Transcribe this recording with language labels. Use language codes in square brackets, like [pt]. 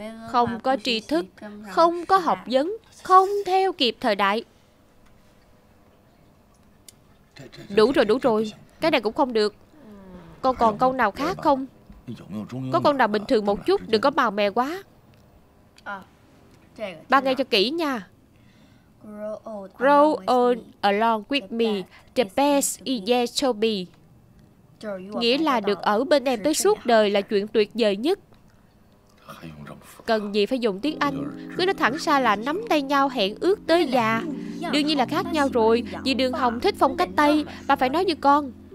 [vi] Không có tri thức, không có học vấn, không theo kịp thời đại. Đủ rồi, cái này cũng không được. Con còn câu nào khác không? Có câu nào bình thường một chút, đừng có màu mè quá. Ba nghe cho kỹ nha. [en] Grow old along with me, the best is yet to be. [vi] Nghĩa là được ở bên em tới suốt đời là chuyện tuyệt vời nhất. Cần gì phải dùng tiếng Anh? Cứ nói thẳng ra là nắm tay nhau hẹn ước tới già. Đương nhiên là khác nhau rồi. Vì Đường Hồng thích phong cách Tây. Bà phải nói như con.